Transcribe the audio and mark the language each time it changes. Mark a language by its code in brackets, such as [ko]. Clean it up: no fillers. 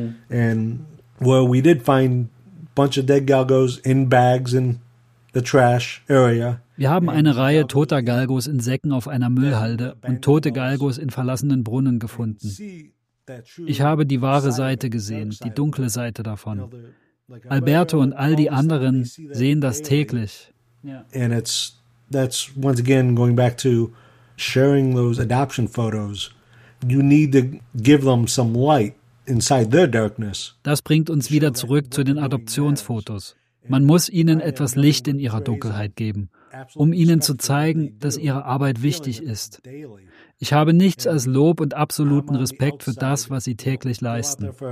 [en] And where we did find a bunch of dead galgos in bags in the trash area. [de] Wir haben eine Reihe toter Galgos in Säcken auf einer Müllhalde und tote Galgos in verlassenen Brunnen gefunden. Ich habe die wahre Seite gesehen, die dunkle Seite davon. Alberto und all die anderen sehen das täglich. [en] And it's that's once again going back to sharing those adoption photos. You need to give them some light inside their darkness. [de] Das bringt uns wieder zurück zu den Adoptionsfotos. Man muss ihnen etwas Licht in ihrer Dunkelheit geben, um ihnen zu zeigen, dass ihre Arbeit wichtig ist. Ich habe nichts als Lob und absoluten Respekt für das, was sie täglich leisten.